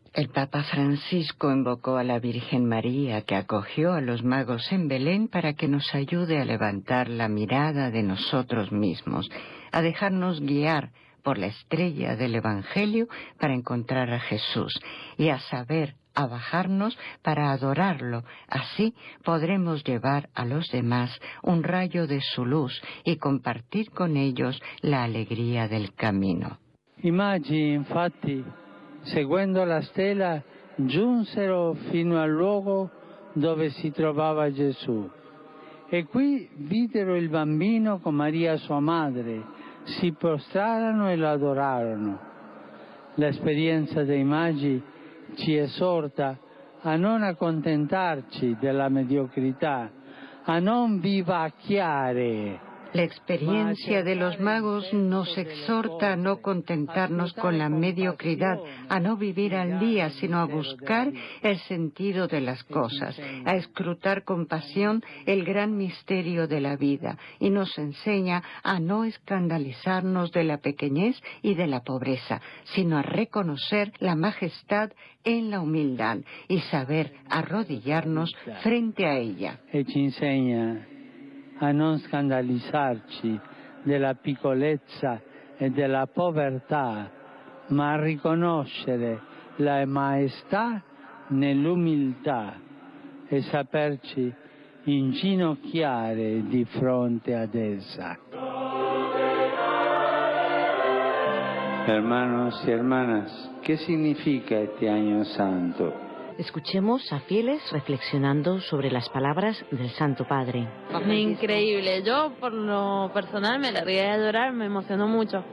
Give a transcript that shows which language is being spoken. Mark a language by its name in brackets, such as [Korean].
[Spanish] El Papa Francisco invocó a la Virgen María que acogió a los magos en Belén para que nos ayude a levantar la mirada de nosotros mismos, a dejarnos guiar por la estrella del Evangelio para encontrar a Jesús y a saber a bajarnos para adorarlo. Así podremos llevar a los demás un rayo de su luz y compartir con ellos la alegría del camino. [Italian] Imagine, infatti, seguendo la stella, giunsero fino al luogo dove si trovava Gesù. E qui videro il bambino con Maria sua madre, si prostrarono e lo adorarono. L'esperienza dei magi ci esorta a non accontentarci della mediocrità, a non vivacchiare [Spanish] La experiencia de los magos nos exhorta a no contentarnos con la mediocridad, a no vivir al día, sino a buscar el sentido de las cosas, a escrutar con pasión el gran misterio de la vida, y nos enseña a no escandalizarnos de la pequeñez y de la pobreza, sino a reconocer la majestad en la humildad y saber arrodillarnos frente a ella. [Italian] Ci insegna a non scandalizzarci della piccolezza e della povertà, ma a riconoscere la maestà nell'umiltà e saperci inginocchiare di fronte ad essa. [Spanish] Hermanos y hermanas, ¿qué significa este año santo? Escuchemos a fieles reflexionando sobre las palabras del Santo Padre. Increíble, yo por lo personal me largué a llorar, me emocionó mucho.